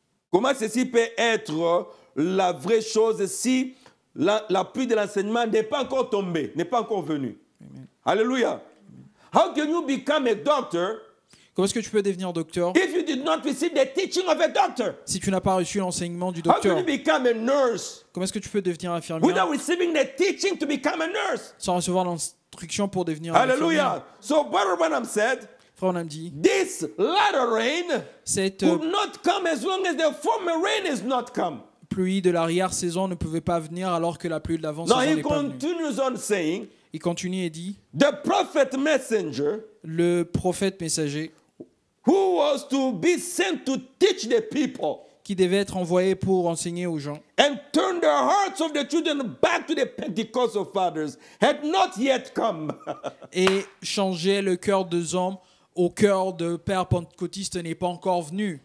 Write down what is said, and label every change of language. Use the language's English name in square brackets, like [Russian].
[French] Comment ceci peut être la vraie chose si la pluie de l'enseignement n'est pas encore tombée, n'est pas encore venue? [English] Alléluia. How can you become a doctor? [French] Comment est-ce que tu peux devenir docteur? [English] If you did not receive the teaching of a doctor, [French] si tu n'as pas reçu l'enseignement du docteur, [English] how can you become a nurse? [French] Comment est-ce que tu peux devenir infirmière? [English] Without receiving the teaching to become a nurse, [French] sans recevoir l'instruction pour devenir [English] infirmière. So what Branham said, [French] Frère Branham dit, [English] this latter rain could not come as long as the former rain is not come. [French] Pluie de l'arrière saison ne pouvait pas venir alors que la pluie de l'avant saison n'est pas venue. [English] Now he continues on saying, [French] il continue et dit, [English] the prophet messenger, [French] le prophète messager, [English] who was to be sent to teach the people, [French] qui devait être envoyé pour enseigner aux gens, [English] and turn the hearts of the children back to the Pentecostal fathers, had not yet come. [French] Et changer le cœur des hommes au cœur de père pentecôtiste n'est pas encore venu.